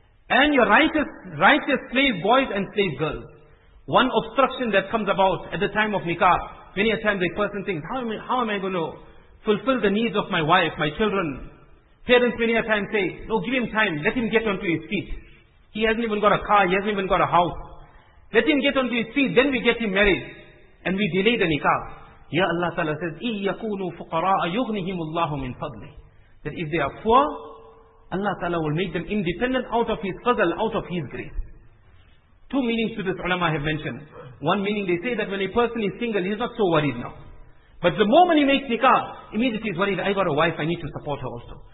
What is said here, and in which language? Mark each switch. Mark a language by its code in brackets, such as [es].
[en] And your righteous slave boys and slave girls. One obstruction that comes about at the time of nikah, many a time the person thinks, how am I going to fulfill the needs of my wife, my children? Parents many a time say, no, give him time, let him get onto his feet. He hasn't even got a car, he hasn't even got a house. Let him get onto his feet, then we get him married. And we delay the nikah. [ar] Ya Allah Ta'ala says, إِن يَكُونُوا فُقَرَاءَ يُغْنِهِمُ اللَّهُ مِنْ فَضْلِ. [en] That if they are poor, Allah Ta'ala will make them independent out of His fadl, out of His grace. Two meanings to this ulama have mentioned. One meaning, they say that when a person is single, he's not so worried now. But the moment he makes nikah, immediately he's worried, I got a wife, I need to support her also.